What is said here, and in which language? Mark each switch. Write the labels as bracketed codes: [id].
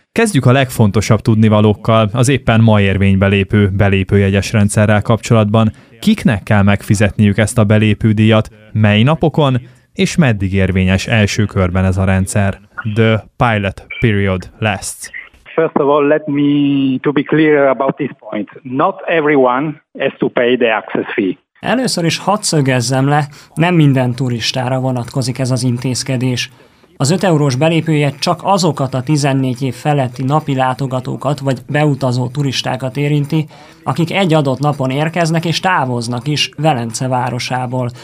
[hu] Kezdjük a legfontosabb tudnivalókkal az éppen ma érvénybe lépő belépőjegyes rendszerrel kapcsolatban. Kiknek kell megfizetniük ezt a belépődíjat, mely napokon, és meddig érvényes első körben ez a rendszer? [en] The pilot period lasts. First of all, let me to be clear about this point. Not everyone has to pay the access fee. [hu] Először is hadd szögezzem le, nem minden turistára vonatkozik ez az intézkedés. Az 5 eurós belépőjegy csak azokat a 14 év feletti napi látogatókat vagy beutazó turistákat érinti, akik egy adott napon érkeznek és távoznak is Velence városából.